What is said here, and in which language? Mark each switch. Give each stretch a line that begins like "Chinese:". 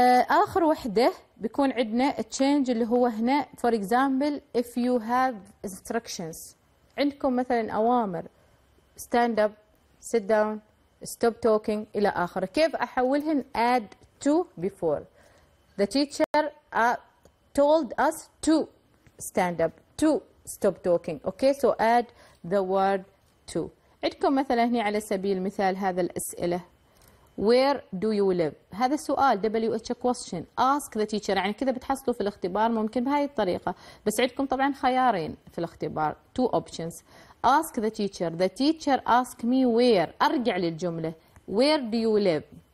Arabic: اخر وحده بيكون عندنا
English: change
Arabic: اللي هو هنا
English: for example if you have instructions
Arabic: عندكم مثلا اوامر
English: stand up sit down stop talking
Arabic: إلى آخره. كيف أحولهن
English: add to before. The teacher told us to stand up to stop talking. Okay so add the word to.
Arabic: عندكم مثلا هنا على سبيل المثال هذا الأسئلة
English: where do you live.
Arabic: هذا سؤال WH question
English: ask the teacher
Arabic: يعني كذا بتحصلوا في الاختبار ممكن بهذه الطريقة بس عندكم طبعا خيارين في الاختبار
English: two options. ask the teacher. The teacher ask me where.
Arabic: ارجع للجملة.
English: Where do you live?